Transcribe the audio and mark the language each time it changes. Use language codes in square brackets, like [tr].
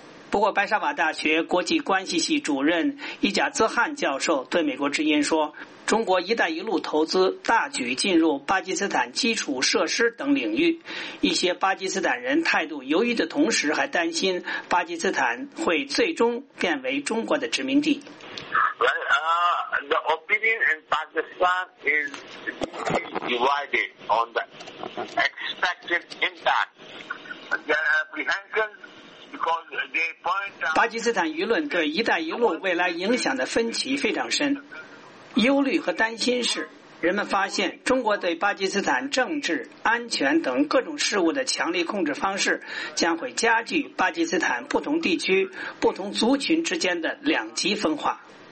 [zh] 不过，白沙瓦大学国际关系系主任伊贾兹汗教授对美国之音说，中国一带一路投资大举进入巴基斯坦基础设施等领域，一些巴基斯坦人态度犹豫的同时还担心巴基斯坦会最终变为中国的殖民地。 [en] Well, the opinion in Pakistan is divided on the expected impact. The apprehension because they point out. [zh] 巴基斯坦舆论对一带一路未来影响的分歧非常深，忧虑和担心是人们发现中国对巴基斯坦政治、安全等各种事务的强力控制方式将会加剧巴基斯坦不同地区、不同族群之间的两极分化。